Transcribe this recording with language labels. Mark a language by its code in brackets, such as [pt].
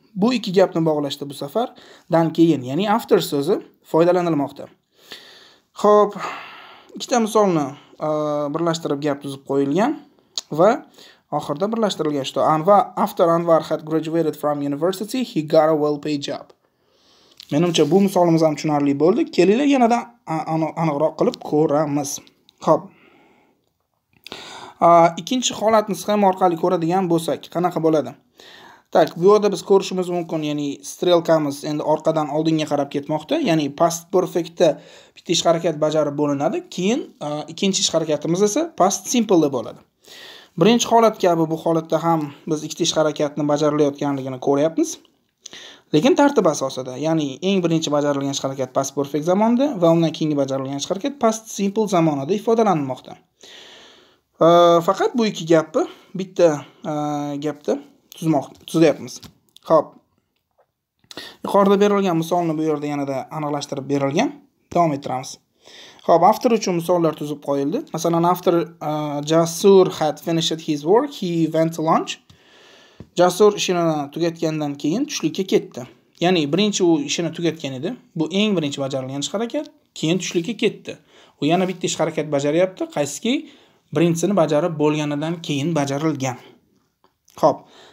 [uz] Bu ikki gapni bog'lashda bu safar dan keyin, ya'ni after so'zi foydalanilmoqda. Xo'p, ikkita misolni birlashtirib gap tuzib qo'yilgan va oxirida birlashtirilgan shu. [en] Anvar, after Anvar had graduated from university, he got a well-paid job. [uz] Menimcha bu misolimiz ham tushunarli bo'ldi. Kelinglar yanada aniqroq qilib ko'ramiz. Xo'p. Ikkinchi holatni sxema orqali ko'radigan bo'lsak, qanaqa bo'ladi? [ru] Так, [uz] bu yerda biz ko'rishimiz mumkin, ya'ni strelkamiz endi orqadan oldinga qarab ketmoqda, ya'ni past perfectda bitta ish harakat bajarib bo'linadi, keyin ikkinchi ish harakatimiz esa past simple bo'ladi. Birinchi holat kabi bu holatda ham biz ikkita ish harakatni bajarilayotganligini ko'ryapmiz. Lekin tartib asosida, ya'ni eng birinchi bajarilgan ish harakat past perfect zamonida va undan keyingi bajarilgan ish harakat past simple zamonida ifodalanmoqda. Faqat bu ikki gapni bitta gapda tuzayapmiz. Xo'p. Yuqorida berilgan misolni bu yerda yanada aniqlashtirib berilgan. Davom ettiramiz. Xo'p, after uchun misollar tuzib qo'yildi. [en] Masalan, after Jasur had finished his work, he went to lunch. [uz] Jasur ishini tugatgandan keyin tushlikka ketdi. Ya'ni birinchi u ishini tugatgan edi. Bu eng birinchi bajarilgan ish harakat. Keyin tushlikka ketdi. U yana bitta ish harakat bajaryapti, qaysiki birinchisini bajarib bo'lganidan keyin bajarilgan. Xo'p.